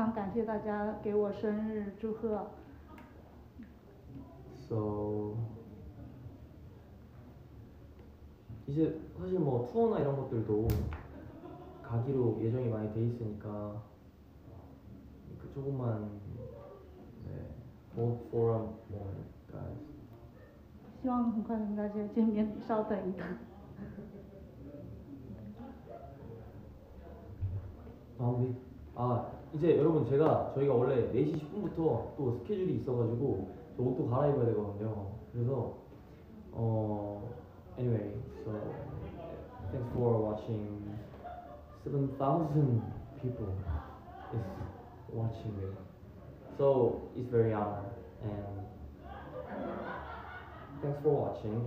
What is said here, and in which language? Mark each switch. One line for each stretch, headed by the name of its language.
Chinese: 听说大家有很多的应援，所以非常感谢大家给我生日祝贺.
Korean: So 이제 사실 뭐 투어나 이런 것들도 가기로 예정이 많이 돼 있으니까 그 조금만 네.
English: Hold for a moment, guys.
Chinese: 希望很快跟大家见面，稍等一等。啊，啊，
Korean: 이제 여러분 제가 저희가 원래 4시 10분부터 또 스케줄이 있어가지고 저 옷도 갈아입어야 되거든요. 그래서 어.
English: Anyway, so thanks for watching. 7,000 people is watching me. So it's very honored. And thanks for watching.